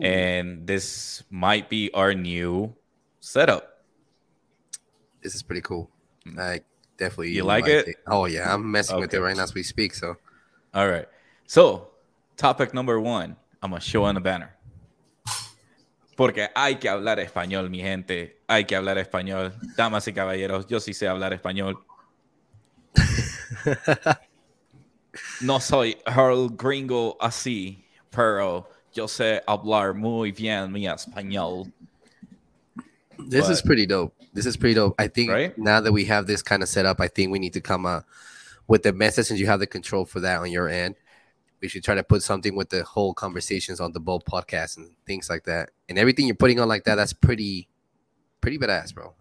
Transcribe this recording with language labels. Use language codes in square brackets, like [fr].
[en] And this might be our new setup. This is pretty cool. Like, definitely. You like it? Oh, yeah. I'm messing with it right now as we speak. So, all right. So, topic number one, I'm going to show on the banner. [es] Porque hay que hablar español, mi gente. Hay que hablar español. Damas y caballeros, yo sí sé hablar español. No soy Earl Gringo así, pero yo sé hablar muy bien mi español. [en] This is pretty dope. This is pretty dope. I think now that we have this kind of set up, I think we need to come up with the message, and you have the control for that on your end. We should try to put something with the whole conversations on the Bold podcast and things like that. And everything you're putting on like that, that's pretty badass, bro.